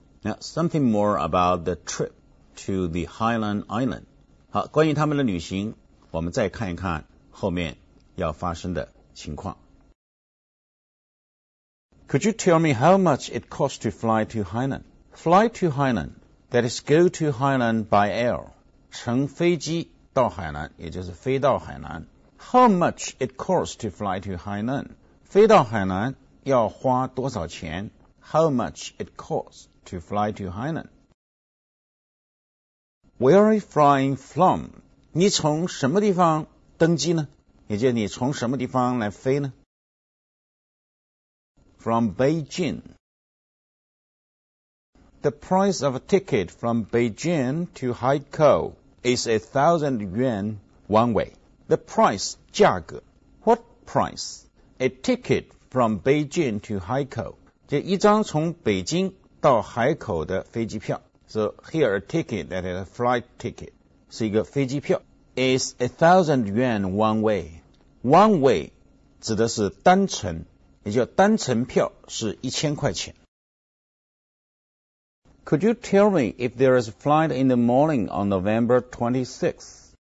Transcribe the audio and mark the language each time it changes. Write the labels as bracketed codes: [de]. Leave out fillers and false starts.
[en] Now, something more about the trip to the Highland Island. [zh] 好，关于他们的旅行，我们再看一看后面要发生的情况。 [en] Could you tell me how much it cost to fly to Highland? Fly to Highland, that is go to Highland by air. [zh] 乘飞机到海南，也就是飞到海南。 [en] How much it cost to fly to Highland? [zh] 飞到海南要花多少钱? [en] How much it costs to fly to Hainan? Where are you flying from? [zh] 你从什么地方登机呢? 也就是你从什么地方来飞呢? [en] From Beijing. The price of a ticket from Beijing to Haikou is 1,000 yuan one way. The price, 价格, what price? A ticket from Beijing to Haikou. [zh] 这一张从北京到海口的飞机票。 [en] So here a ticket that is a flight ticket. [zh] 是一个飞机票。 [en] Is 1,000 yuan one way. [zh] One way 指的是单程。也就单程票是1000块钱。 [en] Could you tell me if there is a flight in the morning on November 26th?